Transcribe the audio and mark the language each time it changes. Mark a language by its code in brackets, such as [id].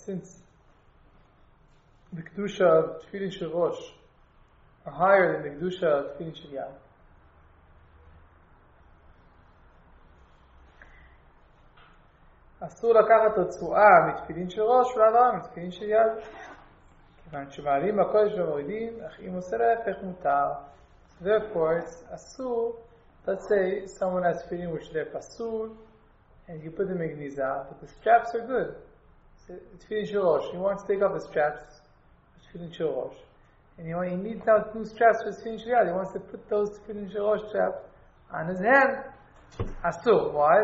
[en] Since the kedusha of tefillin shel rosh are higher than the kedusha of tefillin shel yad, [he] אסור לקחת רצועה מתפילין של ראש ולעבר מתפילין של יד. כיוון שמעלים הקודש ומורידים, אך אם עושה להפך מותר. [en] Therefore, it's אסור, let's say someone has tefillin which they're pasul, and you put them in gniza, but the straps are good. Tefillin של ראש, you want to take off the straps, tefillin של ראש. And he needs now two straps for tefillin של יד, he wants to put those tefillin של ראש straps on his hand. Asur. Why?